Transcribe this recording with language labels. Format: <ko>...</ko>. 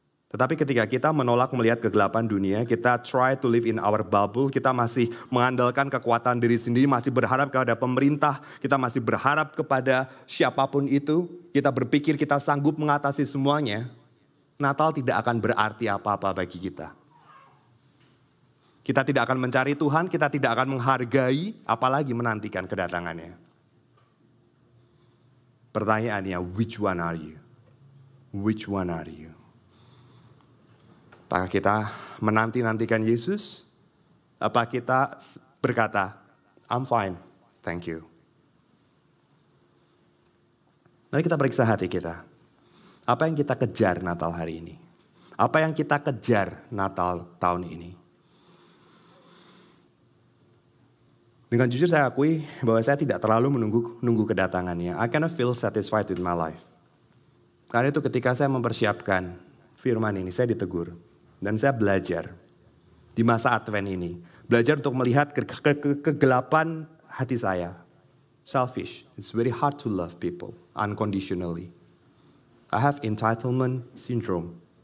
<id>Tetapi ketika kita menolak melihat kegelapan dunia, kita</id> <en>try to live in our bubble,</en> <id>kita masih mengandalkan kekuatan diri sendiri, masih berharap kepada pemerintah, kita masih berharap kepada siapapun itu, kita berpikir kita sanggup mengatasi semuanya, Natal tidak akan berarti apa-apa bagi kita. Kita tidak akan mencari Tuhan, kita tidak akan menghargai, apalagi menantikan kedatangannya. Pertanyaannya,</id> <en>which one are you? Which one are you?</en> <id>Apakah kita menanti-nantikan Yesus? Apa kita berkata,</id> <en>I'm fine, thank you.</en> <id>Mari kita periksa hati kita. Apa yang kita kejar Natal hari ini? Apa yang kita kejar Natal tahun ini? Dengan jujur saya akui bahwa saya tidak terlalu menunggu kedatangannya.</id> <en>I kind of feel satisfied with my life.</en> <id>Karena itu ketika saya mempersiapkan firman ini, saya ditegur. Dan saya belajar di masa Advent ini. Belajar untuk melihat kegelapan hati saya. Selfish.</id> <en>It's very hard to love people unconditionally. I have entitlement syndrome.</en>